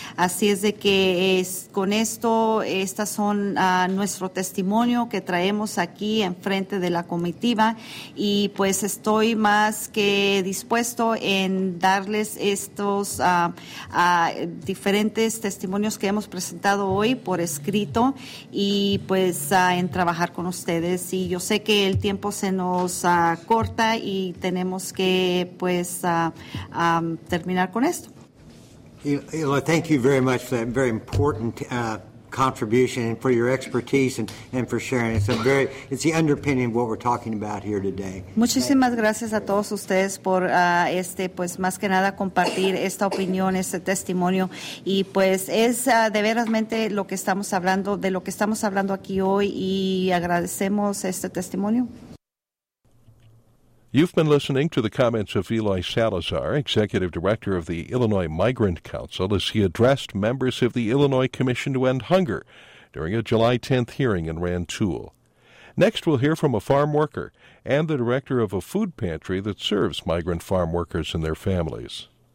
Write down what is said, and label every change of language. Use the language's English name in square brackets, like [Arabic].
[Spanish] Así es de que con esto, estas son nuestro testimonio que traemos aquí en frente de la comitiva, y pues estoy más que dispuesto en darles estos diferentes testimonios que hemos presentado hoy por escrito, y pues en trabajar con ustedes. Y yo sé que el tiempo se nos corta y tenemos que pues terminar con esto. [English] Ela, thank you very much for that very important contribution and for your expertise and for sharing. It's the underpinning of what we're talking about here today. [Spanish] Muchísimas gracias a todos ustedes por pues más que nada compartir esta opinión, este testimonio, y pues es de verdadmente lo que estamos hablando, de lo que estamos hablando aquí hoy, y agradecemos este testimonio. [English] You've been listening to the comments of Eloy Salazar, Executive Director of the Illinois Migrant Council, as he addressed members of the Illinois Commission to End Hunger during a July 10th hearing in Rantoul. Next, we'll hear from a farm worker and the director of a food pantry that serves migrant farm workers and their families.